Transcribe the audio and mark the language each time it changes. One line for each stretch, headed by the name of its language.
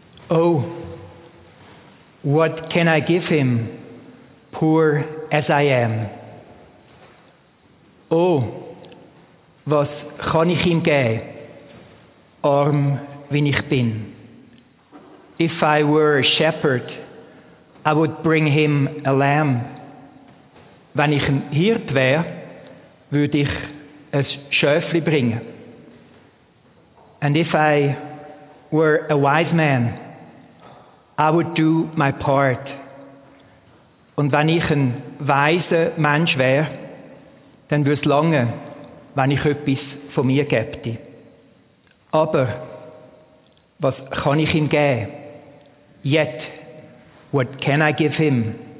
English: Oh, what can I give him, poor as I am?
German: Oh, was kann ich ihm geben, arm wie ich bin?
English: If I were a shepherd, I would bring him a lamb.
German: Wenn ich ein Hirt wäre, würde ich ein Schäfli bringen.
English: And if I were a wise man, I would do my part.
German: Und wenn ich ein weiser Mensch wäre, dann würde es lange, wenn ich etwas von mir gäbte. Aber was kann ich ihm geben?
English: Yet, what can I give him?